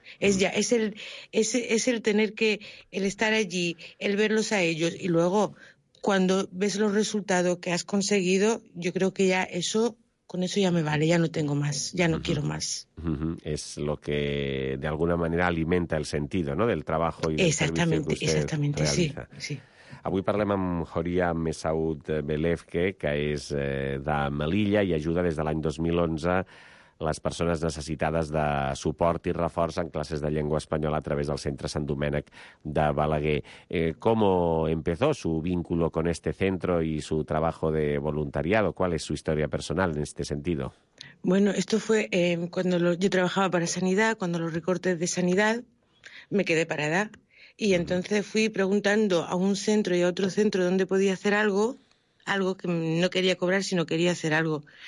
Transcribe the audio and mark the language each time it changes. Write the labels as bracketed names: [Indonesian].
[Spanish] Es ya, es el tener que, el estar allí, el verlos a ellos. Y luego, cuando ves los resultados que has conseguido, yo creo que ya eso... Con eso ya me vale, ya no tengo más, ya no quiero más. Es lo que de alguna manera alimenta el sentido, ¿no?, del trabajo y del servicio que usted realiza. Exactamente, sí, sí. [Catalan] Avui parlem amb Joria Messaud Belefque, que és de Melilla i ajuda des de l'any 2011 les persones necessitades de suport i reforç en classes de llengua espanyola a través del Centre Sant Domènec de Balaguer. [Spanish] ¿Com empezó su vínculo con este centro y su trabajo de voluntariado? ¿Cuál es su historia personal en este sentido? Bueno, esto fue cuando yo trabajaba para Sanidad, cuando los recortes de Sanidad me quedé parada. Y entonces fui preguntando a un centro y a otro centro dónde podía hacer algo que no quería cobrar, sino quería hacer algo.